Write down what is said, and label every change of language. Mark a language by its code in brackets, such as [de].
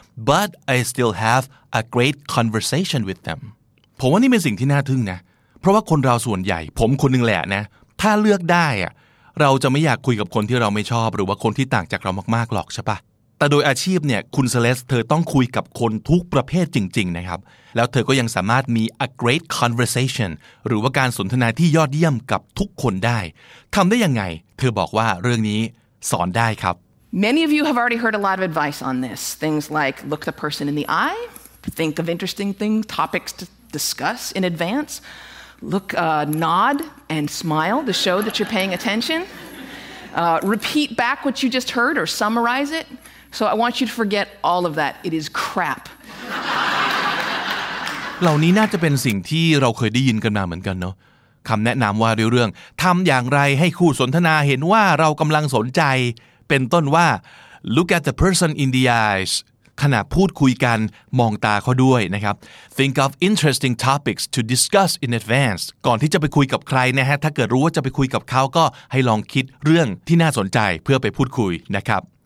[en] But I still have a great conversation with them [th] ผมว่านี่เป็นสิ่งที่น่าทึ่งนะเพราะว่าคนเราส่วนใหญ่ผมคนนึงแหละนะถ้าเลือกได้อ่ะเราจะไม่อยากคุยกับคนที่เราไม่ชอบหรือว่าคนที่ต่างจากเรามากๆหรอกใช่ปะแต่โดยอาชีพเนี่ยคุณเซเลสเธอต้องคุยกับคนทุกประเภทจริงๆนะครับแล้วเธอก็ยังสามารถมี [en] a great conversation [th] หรือว่าการสนทนาที่ยอดเยี่ยมกับทุกคนได้ทำได้ยังไงเธอบอกว่าเรื่องนี้สอนได้ครับ [en] Many of you have already heard a lot of advice on this things like look the person in the eye think of interesting things topics to discuss in advanceLook, nod and smile to show that you're paying attention. repeat back what you just heard or summarize it. So I want you to forget all of that. It is crap. [th] เหล่านี้น่าจะเป็นสิ่งที่เราเคยได้ยินกันมาเหมือนกันเนาะคำแนะนำว่าเรื่องทำอย่างไรให้คู่สนทนาเห็นว่าเรากำลังสนใจเป็นต้นว่า [en] look at the person in the eyes [th] ขณะพูดคุยกันมองตาเขาด้วยนะครับ [en] think of interesting topics to discuss in advance [th] ก่อนที่จะไปคุยกับใครนะฮะถ้าเกิดรู้ว่าจะไปคุยกับเขาก็ให้ลองคิดเรื่องที่น่าสนใจเพื่อไปพูดคุยนะครับ